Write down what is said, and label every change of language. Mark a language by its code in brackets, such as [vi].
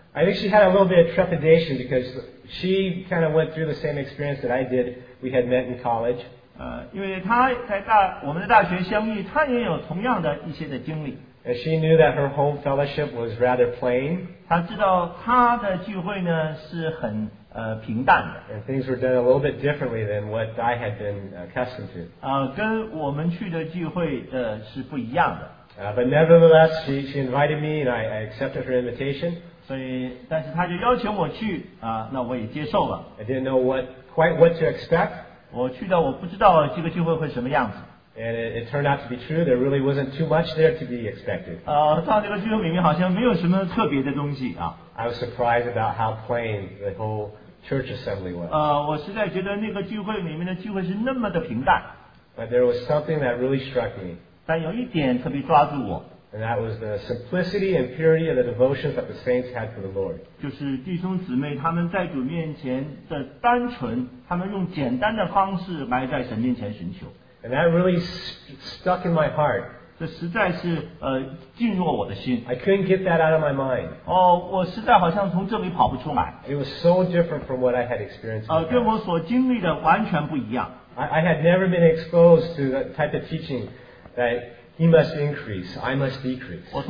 [en] I think she had a little bit of trepidation because she kind of went through the same experience that I did. We had met in college. [zh] 因为她在我们的大学相遇,她也有同样的一些的经历。 [en] And she knew that her home fellowship was rather plain. [zh] 她知道她的聚会呢是很 平淡的, [en] and things were done a little bit differently than what I had been accustomed to. [zh] 跟我们去的聚会是不一样的。 [en] But nevertheless, she invited me and I accepted her invitation. [zh] 所以,但是她就邀请我去, 那我也接受了。 [en] I didn't know quite what to expect. [zh] 我去到我不知道这个聚会会什么样子。 [en] And it turned out to be true. There really wasn't too much there to be expected. [zh] 到这个聚会里面好像没有什么特别的东西啊。 [en] I was surprised about how plain the whole church assembly was. [zh] 我实在觉得那个聚会里面的聚会是那么的平淡。 [en] But there was something that really struck me. [zh] 但有一点特别抓住我。 [en] And that was the simplicity and purity of the devotions that the saints had for the Lord. [zh] 就是弟兄姊妹他们在主面前的单纯，他们用简单的方式来在神面前寻求。 [en] And that really stuck in my heart. [zh] 这实在是进入我的心。 [en] I couldn't get that out of my mind. [zh] 我实在好像从这里跑不出来。 [en] It was so different from what I had experienced. [zh] 跟我所经历的完全不一样。 [en] I had never been exposed to the type of teaching that he must increase, I must decrease.